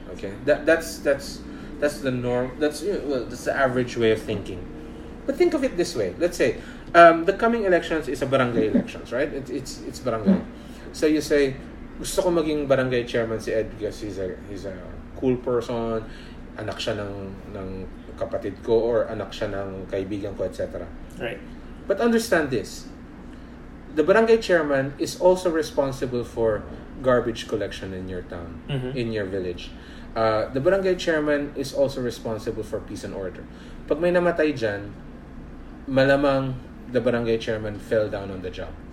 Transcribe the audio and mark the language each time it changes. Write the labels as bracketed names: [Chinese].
[English] Okay, that's the norm. That's the average way of thinking. But think of it this way: let's say the coming elections is a barangay elections, right? It's barangay. So you say, [Filipino] "Gusto ko maging barangay chairman si Ed [English] because he's a cool person. [Filipino] Anak siya ng kapatid ko or anak siya ng kaibigan ko, etc." [English] Right. But understand this. The barangay chairman is also responsible for garbage collection in your town, mm-hmm. in your village. The barangay chairman is also responsible for peace and order. [Filipino] Pag may namatay dyan, malamang [English] the barangay chairman fell down on the job.